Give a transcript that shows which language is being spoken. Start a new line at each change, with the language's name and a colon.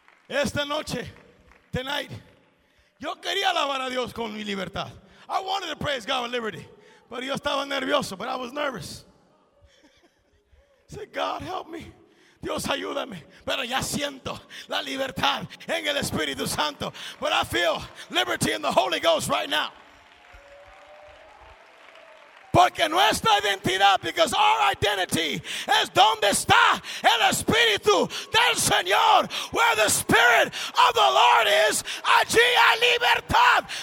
Spanish: Esta noche, tonight, yo quería alabar a Dios con mi libertad.
English: I wanted to praise God with liberty, but
Spanish: yo estaba nervioso,
English: but I was nervous. Say, God, help me.
Spanish: Dios, ayúdame. Pero ya siento la libertad en el Espíritu Santo.
English: But I feel liberty in the Holy Ghost right now.
Spanish: Porque nuestra identidad,
English: because our identity is
Spanish: donde está el Espíritu del Señor.
English: Where the Spirit of the Lord is,
Spanish: allí hay libertad.